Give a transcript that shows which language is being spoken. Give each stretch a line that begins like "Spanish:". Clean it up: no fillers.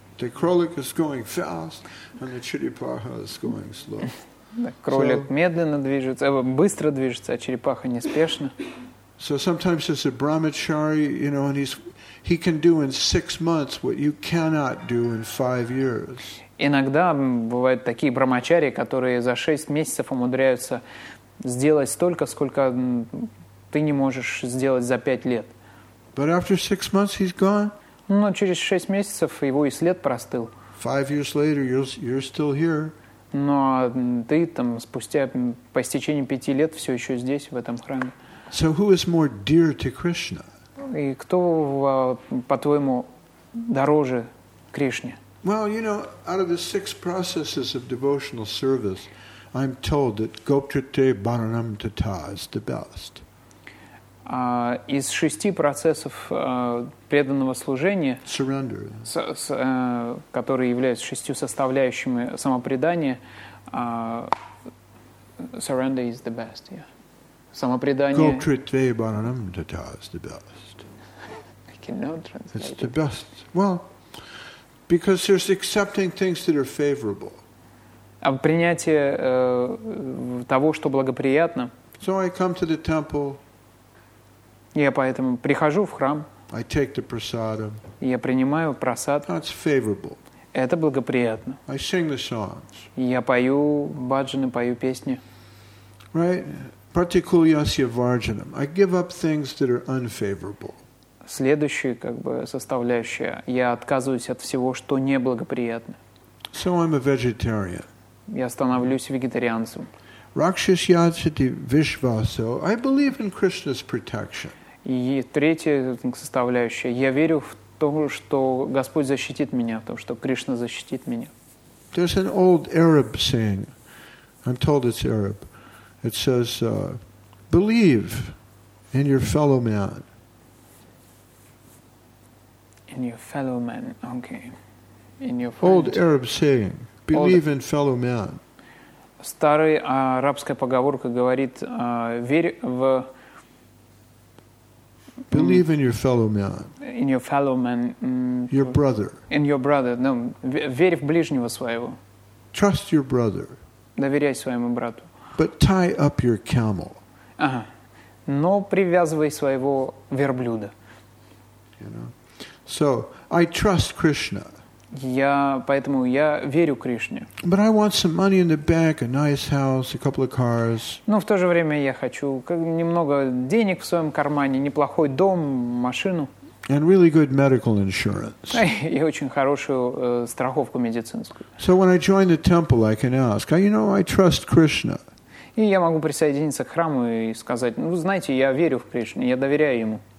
English: The krolik is going fast, and the черепаха is going slow.
Russian: Кролик медленно движется, быстро движется, а черепаха неспешно.
English: So sometimes it's a brahmachari, you know, and he can do in 6 months what you cannot do in 5 years.
Russian: Иногда бывают такие брамачари, которые за 6 месяцев умудряются сделать столько, сколько ты не можешь сделать за 5 лет.
English: But after 6 months he's gone.
Russian: Но через 6 месяцев его и след простыл.
English: 5 years later you're still here.
Russian: Но ты там спустя по истечении 5 лет все еще здесь, в этом храме.
English: So who is more dear to Krishna?
Russian: И кто, по-твоему, дороже Кришне?
English: Well, you know, out of the 6 processes of devotional service, I'm told that Gopchate Bharanam Tata is the best.
Russian: Из 6 процессов преданного служения,
English: surrender,
Russian: которые являются 6 составляющими самопредания,
English: surrender is the best, yeah.
Russian: Самопредание.
English: Gopchate Bharanam Tata is the best. I cannot translate. It's the best. Well, because there's accepting things that are favorable.
Russian: А принятие того, что благоприятно.
English: So I come to the temple.
Russian: Я поэтому прихожу в храм.
English: I take the prasadam.
Russian: Я принимаю прасад.
English: That's favorable.
Russian: Это благоприятно.
English: I sing the songs.
Russian: Я пою баджаны, пою песни.
English: Right. Pratikulyasya Varjanam. I give up things that are unfavorable.
Russian: Следующая как бы составляющая. Я отказываюсь от всего, что неблагоприятно.
English: So I'm a vegetarian.
Russian: Я становлюсь вегетарианцем.
Sanskrit: Rakshasyachati Vishvaso.
English: I believe in Krishna's protection.
Russian: И третья составляющая. Я верю в то, что Господь защитит меня, в то, что Кришна защитит меня.
English: There's an old Arab saying. I'm told it's Arab. It says, believe in your fellow man. In in your fellow man. Okay. In your old Arab saying, believe in fellow man.
Russian: Старая арабская поговорка говорит, верь в...
English: Believe in your fellow man. In your fellow man. Your brother. In your brother.
Russian: No, верь в ближнего своего.
English: Trust your brother.
Russian: Доверяй своему брату.
English: But tie up your camel.
Russian: Ага. Но привязывай своего верблюда.
English: You know? So, I trust Krishna.
Russian: Поэтому я верю Кришне.
English: But I want some money in the bank, a nice house, a couple of cars.
Russian: Но в то же время я хочу немного денег в своем кармане, неплохой дом, машину.
English: And really good medical insurance.
Russian: И очень хорошую страховку медицинскую.
English: So when I join the temple, I can ask, you know, I trust Krishna.
Russian: И я могу присоединиться к храму и сказать, ну, знаете, я верю в Кришну, я доверяю ему.